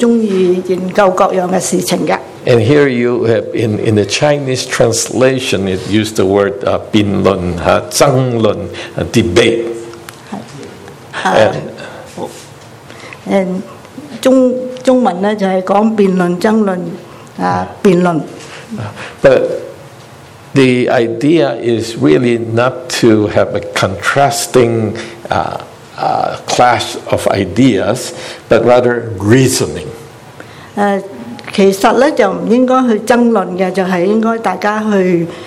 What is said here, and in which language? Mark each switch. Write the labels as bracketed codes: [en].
[zh] 希臘人是很喜歡辯論,很喜歡研究各樣的事情的。 [en] And here you have in the Chinese translation, it used the word 辯論, 爭論, debate. [zh] And 中文就是說辯論,爭論,辯論. [en] But the idea is really not to have a contrasting clash of ideas, but rather reasoning. [zh] 其實就不應該去爭論的,就是應該大家去